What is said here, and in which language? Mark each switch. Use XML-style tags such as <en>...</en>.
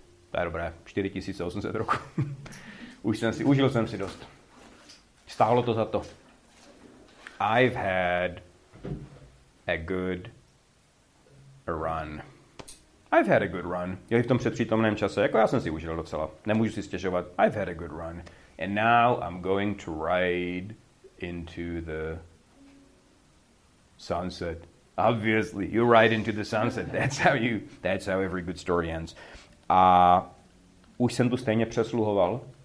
<cs>To je dobré, 4800 roku. užil jsem si dost. Stálo to za to.</cs> <en>I've had a good run. I've had a good run.</en> <cs>Jo, v tom předpřítomném čase, jako já jsem si užil docela. Nemůžu si stěžovat.</cs> <en>I've had a good run. And now I'm going to ride into the sunset. Obviously, you ride into the sunset. That's how every good story ends.</en> <cs>A už jsem tu stejně přesluhoval.</cs>